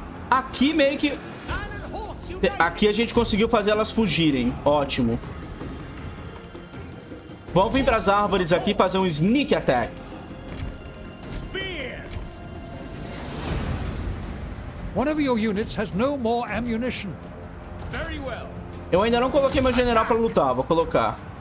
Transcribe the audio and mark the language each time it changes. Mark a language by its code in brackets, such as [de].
[pt] Aqui meio que... Aqui a gente conseguiu fazer elas fugirem. Ótimo. Vamos vir pras árvores aqui e fazer um sneak attack. [en] One of your units has no more ammunition. Very well. [pt] Eu ainda não coloquei meu general pra lutar. Vou colocar.